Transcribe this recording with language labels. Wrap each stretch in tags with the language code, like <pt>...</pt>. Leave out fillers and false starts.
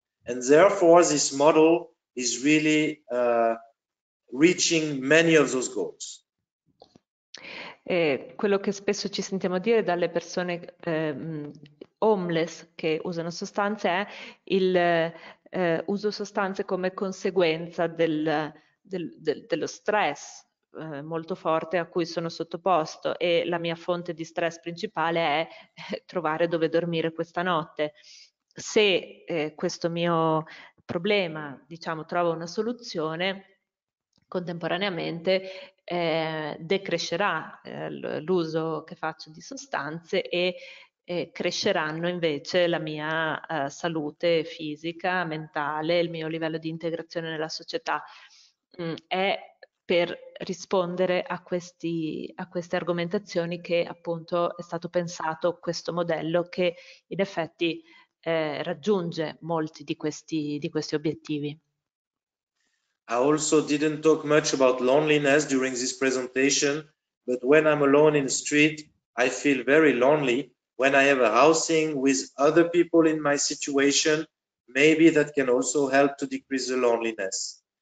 <en>And therefore, this model is really reaching many of those goals.</en> <it>Quello che spesso ci sentiamo dire dalle persone homeless che usano sostanze è il uso sostanze come conseguenza dello stress molto forte a cui sono sottoposto e la mia fonte di stress principale è trovare dove dormire questa notte. Se questo mio problema, diciamo, trova una soluzione, contemporaneamente decrescerà l'uso che faccio di sostanze e cresceranno invece la mia salute fisica, mentale, il mio livello di integrazione nella società. È per rispondere a queste argomentazioni che appunto è stato pensato questo modello che in effetti raggiunge molti di questi obiettivi.</it> <en>I also didn't talk much about loneliness during this presentation, but when I'm alone in the street, I feel very lonely. When I have a housing with other people in my situation, maybe that can also help to decrease the loneliness.</en>